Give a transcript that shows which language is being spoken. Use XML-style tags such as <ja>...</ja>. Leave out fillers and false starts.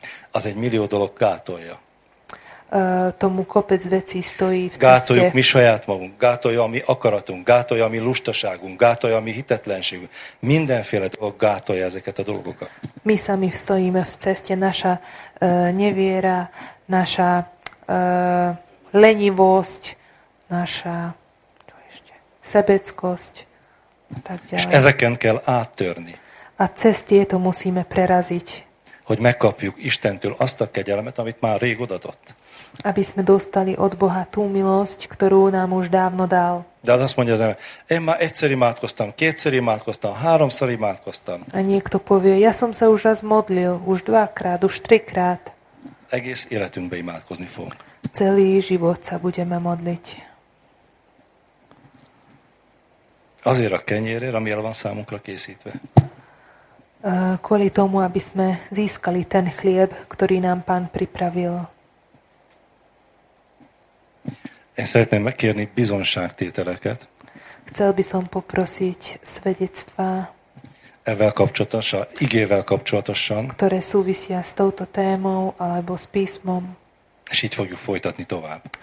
<hu>Az egy millió dolog gátolja.</hu> <sk>Tomu kopec vecí stojí v ceste.</sk> <hu>Gátoljuk mi saját magunk, gátolja a mi akaratunk, gátolja a mi lustaságunk, gátolja a mi hitetlenségünk. Mindenféle dolog gátolja ezeket a dolgokat.</hu> <sk>My sami stojíme v ceste, naša neviera, naša lenivosť, naša sebeckosť a tak ďalej.</sk> <hu>És ezeken kell áttörni.</hu> <sk>A cez tieto musíme preraziť.</sk> <hu>Hogy megkapjuk Istentől azt a kegyelmet, amit már rég odadott.</hu> <sk>Aby sme dostali od Boha tú milosť, ktorú nám už dávno dal.</sk> <hu>De azt mondja az ember, én már egyszer imádkoztam, kétszer imádkoztam, háromszor imádkoztam.</hu> <sk>A niekto povie, ja som sa už raz modlil, už dvakrát, už trikrát.</sk> <hu>Egész életünkbe imádkozni fogunk.</hu> <sk>Celý život sa budeme modliť.</sk> <hu>Azért a kenyérér, ami el van számunkra készítve.</hu> <sk>Kvôli tomu, aby sme získali ten chlieb, ktorý nám Pán pripravil.</sk> <hu>Én szeretném megkérni bizonságtételeket.</hu> <sk>Chcel by som poprosiť svedectvá.</sk> <hu>Evel kapcsolatosan, igével kapcsolatosan.</hu> <sk>Ktoré súvisia s touto témou, alebo s písmom.</sk> <hu>És így fogjuk folytatni tovább.</hu>